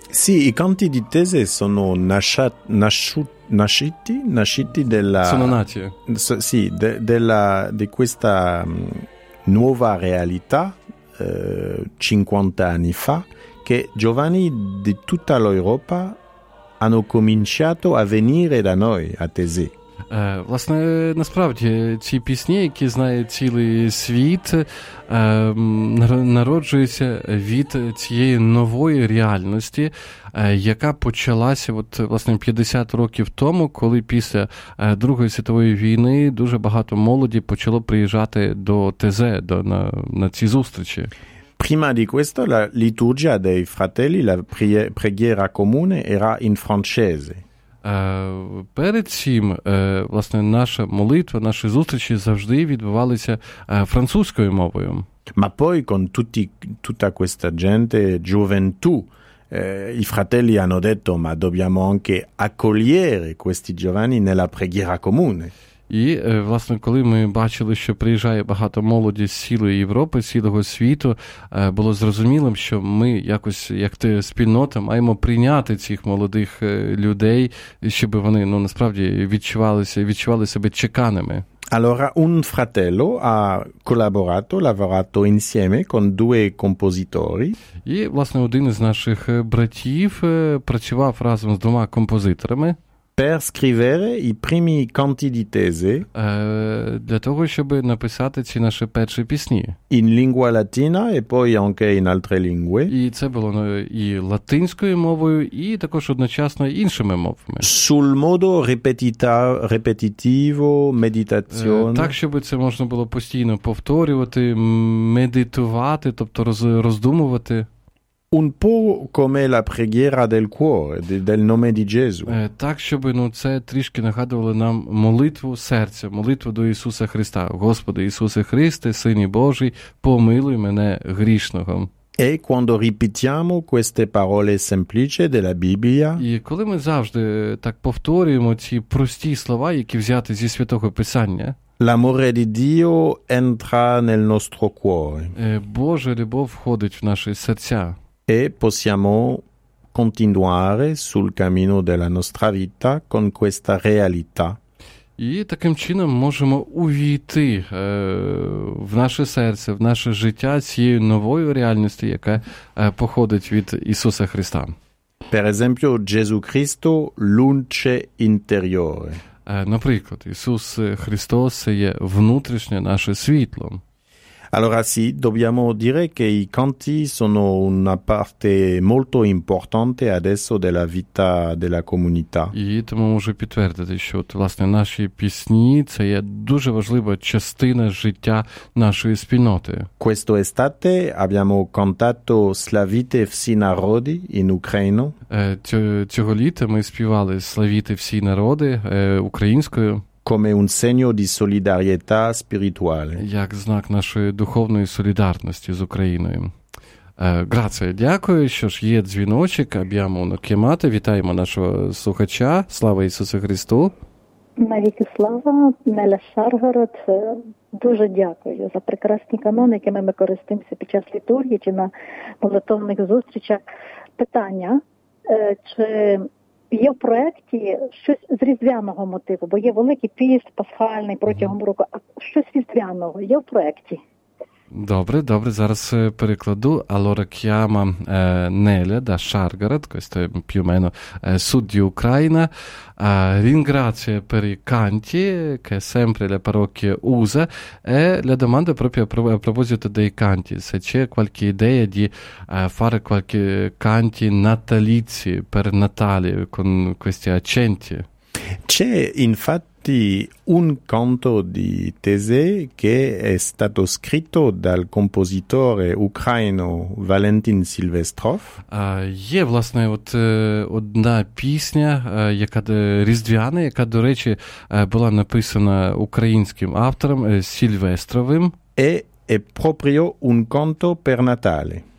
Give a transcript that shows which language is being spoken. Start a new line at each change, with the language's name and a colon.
Italian: Sì, i canti di Tese sono nati di questa nuova realtà 50 anni fa, che giovani di tutta l'Europa hanno cominciato a venire da noi a Tese.
Ukrainian: Власне, насправді, ці пісні, які знає цілий світ, народжуються від цієї нової реальності, яка почалася от, власне, 50 років тому, коли після Другої світової війни дуже багато молоді почало приїжджати до Тезе, на ці зустрічі.
Italian: Prima di questo, la liturgia dei fratelli, la preghiera comune, era in francese.
Ukrainian: Перед цим, власне, наша молитва, наші зустрічі завжди відбувалися французькою мовою.
Italian: Ma poi, con tutta questa gente, gioventù, i fratelli hanno detto, ma dobbiamo anche accogliere questi giovani nella preghiera comune.
Ukrainian: І, власне, коли ми бачили, що приїжджає багато молоді з цілої Європи, з цілого світу, було зрозуміло, що ми якось, як те спільнота, маємо прийняти цих молодих людей, щоб вони, ну, насправді, відчували себе чеканими.
Italian: Allora, un fratello ha collaborato, lavorato insieme con due compositori.
Ukrainian: І, власне, один із наших братів працював разом з двома композиторами.
Italian: Per scrivere i primi canti di Tese,
Ukrainian: для того, щоб написати ці наші перші пісні.
Italian: In lingua latina e poi anche in altre lingue.
Ukrainian: І це було і латинською мовою, і також одночасно іншими мовами.
Italian: Sul modo repetitivo, meditazione.
Ukrainian: Так, щоб це можна було постійно повторювати, медитувати, тобто роздумувати.
Italian: Un po' come la preghiera del cuore, del nome di Gesù.
Ukrainian: Так, щоб, ну, це трішки нагадувало нам молитву серця, молитву до Ісуса Христа. Господи Ісусе Христе, Сині Божий, помилуй мене грішного.
Italian: E quando ripetiamo queste parole semplici della Bibbia?
Ukrainian: І коли ми завжди так повторюємо ці прості слова, які взяти зі Святого Писання,
Italian: l'amore di Dio entra nel nostro cuore.
Ukrainian: Божа любов входить в наші серця.
Italian: E possiamo continuare sul cammino della nostra vita con questa realtà.
Ukrainian: І таким чином можемо увійти в наше серце, в наше життя цією новою реальністю, яка походить від Ісуса Христа.
Italian: Per esempio, Gesù Cristo, luce interiore.
Ukrainian: Наприклад, Ісус Христос є внутрішнє наше світло.
Italian: Allora sì, dobbiamo dire che i canti sono una parte molto importante adesso della vita della comunità.
Ukrainian: І тому можу підтвердити, що от, власне, наші пісні – це є дуже важлива частина життя нашої спільноти.
Italian: Questo estate abbiamo cantato «Slavite всі народи» in Україну.
Ukrainian: Цього літа ми співали «Slavite всі народи» українською.
Italian: Come un segno di solidarietà spirituale.
Ukrainian: Як знак нашої духовної солідарності з Україною. Grazie, дякую. Що ж, є дзвіночок,
Italian: abbiamo una chiamata.
Ukrainian: Вітаємо нашого слухача. Слава Ісусу Христу. Навіки слава, Неля Шаргород, Дуже дякую за прекрасні канони, якими ми користуємося під час літургії чи на молитовних зустрічах. Питання, чи є в проєкті щось з різдвяного мотиву, бо є великий піст пасхальний протягом року, а щось різдвяного є в проєкті? Добре, добре, зараз перекладу.
Italian: Allora chiama Nele da Shargarad, questo è più o meno sud di Ucraina. Ringrazio per i canti che sempre le parrocchie usa e le domande proprio a proposito dei canti, se c'è qualche idea di fare qualche canti natalizi per Natale con questi accenti. C'è infatti un canto di Tesei che è stato scritto dal compositore ucraino Valentin Silvestrov.
Ukrainian: Є, власне, от, одна пісня, яка різдвяна, яка, до речі, була написана українським автором Сільвестровим.
Italian: È proprio un canto per Natale.